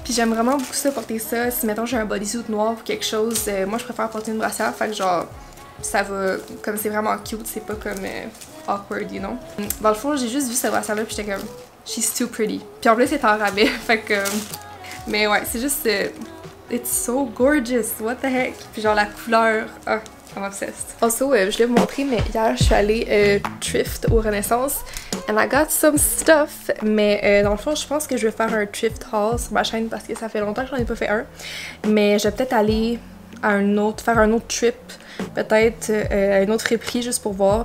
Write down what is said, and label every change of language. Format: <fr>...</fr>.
<fr>Puis j'aime vraiment beaucoup ça, porter ça. Si, mettons, j'ai un bodysuit noir ou quelque chose, moi, je préfère porter une brassière. Fait que genre, ça va... comme c'est vraiment cute, c'est pas comme awkward,</fr> <en>you know?</en> <fr>Dans le fond, j'ai juste vu cette brassière-là, puis j'étais comme...</fr> <en>she's too pretty.</en> <fr>Puis en plus, c'est en rabais, fait que... mais ouais, c'est juste...</fr> <en>it's so gorgeous, what the heck?</en> <fr>Puis genre, la couleur... ah,</fr> <en>I'm obsessed.</en> <fr>Also, je voulais vous montrer, mais hier, je suis allée thrift au Renaissance.</fr> <en>And I got some stuff,</en> <fr>mais dans le fond, je pense que je vais faire un thrift haul sur ma chaîne parce que ça fait longtemps que j'en ai pas fait un. Mais je vais peut-être aller à un autre, faire un autre trip, peut-être à une autre friperie juste pour voir.</fr>